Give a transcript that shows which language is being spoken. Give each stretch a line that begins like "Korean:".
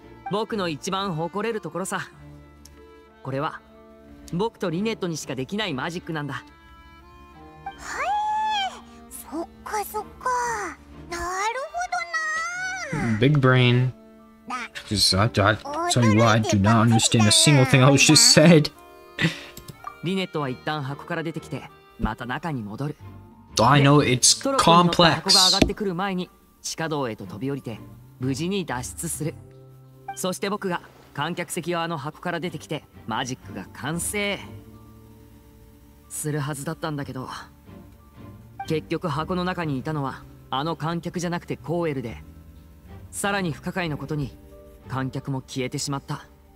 Japanese: 僕の一番誇れるところさ。これは僕とリネットにしかできないマジックなんだ。はい、そっかそっか、なるほどな。
English: Big brain. Because I tell you what, I do not understand a single thing I was just said.
Japanese: リネットは一旦箱から出てきて、また中に戻る。
English: I know it's complex.
Japanese: 箱が上がってくる前に地下道へと飛び降りて無事に脱出する。そして僕が観客席側の箱から出てきてマジックが完成するはずだったんだけど、結局箱の中にいたのはあの観客じゃなくてコーエルで、さらに不可解なことに観客も消えてしまった。